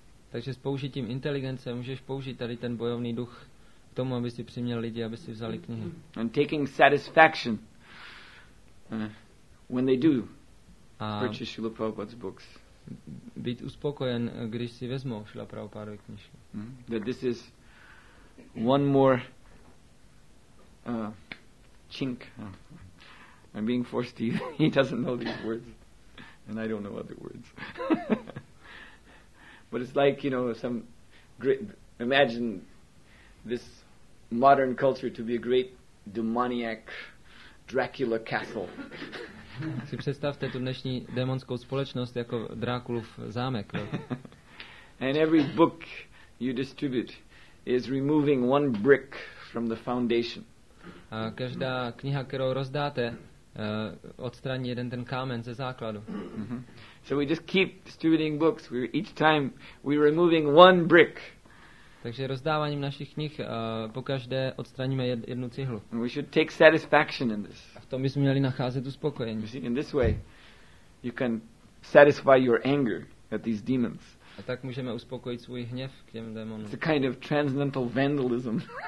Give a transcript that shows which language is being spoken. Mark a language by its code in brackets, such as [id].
[cs] Takže s použitím inteligence můžeš použít tady ten bojovný duch k tomu, aby si přiměl lidi, aby si vzali knihy. [en] And taking satisfaction when they do purchase Srila Prabhupada's books. [cs] Být uspokojen, když si vezmou Srila Prabhupádovy knihy. [en] That this is one more chink. I'm being forced to use. He doesn't know these words, and I don't know other words. But it's like, you know, some great. Imagine this modern culture to be a great demoniac Dracula castle. [cs] Si představte tu dnešní démonskou společnost jako Drákulův zámek. [en] And every book you distribute is removing one brick from the foundation. [cs] A každá kniha, kterou rozdáte, odstraní jeden ten kámen ze základu. [en] So we just keep distributing books, we're each time we're removing one brick. [cs] Takže rozdáváním našich knih pokaždé odstraníme jednu cihlu. [en] And we should take satisfaction in this. [cs] A v tom bychom měli nacházet uspokojení. [en] You see, in this way you can satisfy your anger at these demons. [cs] A tak můžeme uspokojit svůj hněv k těm démonům. [en] It's a kind of transcendental vandalism.